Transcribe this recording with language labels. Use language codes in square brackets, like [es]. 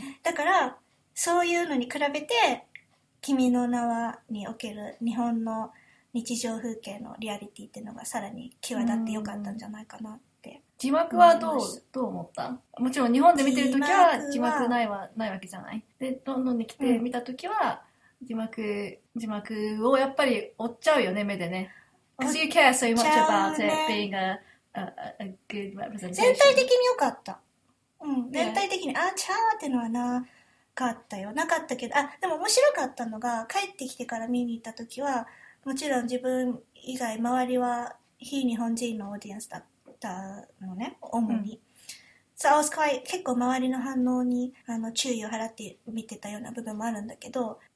[ja] だからそういうのに比べて君の名はにおける日本の日常風景のリアリティっていうのがさらに際立ってよかったんじゃないかなって、 mm. 字幕はどう思ったもちろん日本で見てるときは字幕ないわけじゃないでどんどんに来て見たときは、mm. 字幕をやっぱり追っちゃうよね目でね。 [en] Because you care so much about it being a good representation. [ja] 全体的に良かった。うん、全体的に、yeah. あちゃーってのはなかったよなかったけどあでも面白かったのが帰ってきてから見に行った時はもちろん自分以外周りは非日本人のオーディエンスだったのね主に。うん [en] So I was quite [ja] 結構周りの反応に注意を払って見てたような部分もあるんだけど。